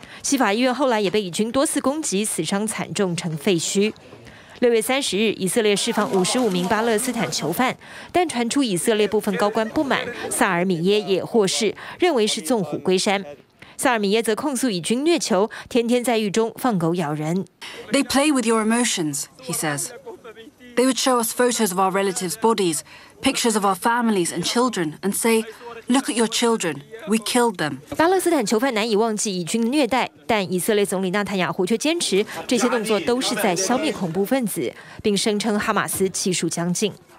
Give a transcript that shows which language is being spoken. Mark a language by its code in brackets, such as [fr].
[zh] 西法医院后来也被以军多次攻击，死伤惨重成废墟。 6月30日，以色列释放55名巴勒斯坦囚犯，但传出以色列部分高官不满，萨尔米耶也获释，认为是纵虎归山。萨尔米耶则控诉以军虐囚，天天在狱中放狗咬人。 [en] They play with your emotions, he says. They would show us photos of our relatives' bodies, pictures of our families and children and say, "Look at your children. We killed them." [zh] 巴勒斯坦囚犯难以忘记以军的虐待，但以色列总理纳坦雅胡却坚持这些动作都是在消灭恐怖分子，并声称哈马斯技术将近。